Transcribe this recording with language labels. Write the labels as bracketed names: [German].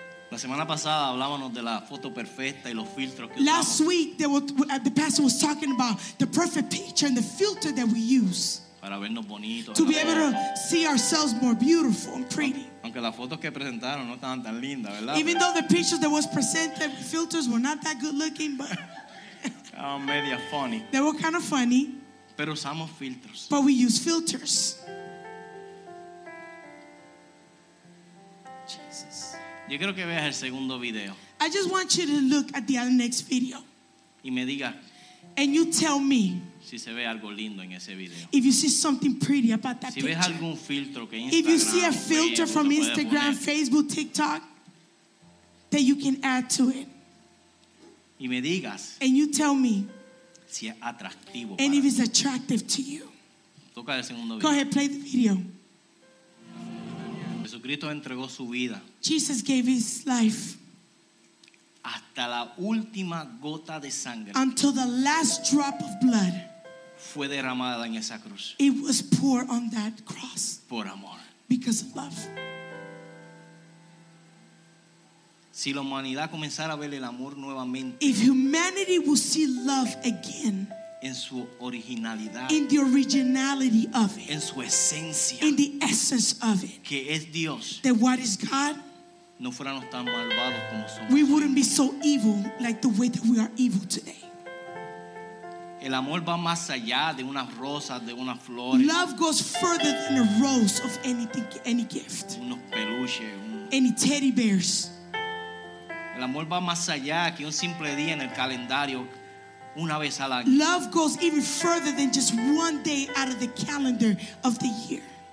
[Spanish] La semana pasada hablábamos de la foto perfecta y los filtros que [English] Last week the pastor was talking about the perfect picture and the filter that we use. [Spanish] Para vernos bonitos. [English] To be able to see ourselves more beautiful and pretty. [Spanish] Aunque las fotos que presentaron no estaban tan lindas, ¿verdad? [English] Even though the pictures that was presented filters were not that good looking, but media funny. They were kind of funny. [Spanish] Pero usamos filtros. [English] But we use filters. Jesus. [Spanish] Yo quiero que veas el segundo video. [English] I just want you to look at the other next video. [Spanish] Y me diga. [English] And you tell me. [Spanish] Si se ve algo lindo en ese video. [English] If you see something pretty about that [Spanish] si [English] picture. [Spanish] Ves algún filtro que Instagram, [English] if you see a filter from Instagram, Facebook, TikTok. That you can add to it. [Spanish] Y me digas. [English] And you tell me. [Spanish] Si es atractivo [English] and if it's attractive to you. [Spanish] Toca el segundo video. [English] Go ahead, play the video. [Spanish] Jesucristo entregó su vida. [English] Jesus gave his life. [Spanish] Hasta la última gota de sangre. [English] Until the last drop of blood. [Spanish] Fue derramada en esa cruz. [English] It was poured on that cross. [Spanish] Por amor. [English] Because of love. [Spanish] Si la humanidad comenzara a ver el amor nuevamente, [English] if humanity will see love again, [Spanish] en su originalidad, [English] in the originality of it, [Spanish] en su esencia, [English] in the essence of it, [Spanish] que es Dios, [English] that what is God, [Spanish] no fuéramos tan malvados como somos, [English] we wouldn't be so evil like the way that we are evil today. [Spanish] El amor va más allá de una rosa, de una flor. [English] Love goes further than a rose of anything, any gift. [Spanish] Unos peluches, [English] any teddy bears. [Spanish] El amor va más allá que un simple día en el calendario, una vez al año. [English] Love goes even further than just one day out of the calendar of the year.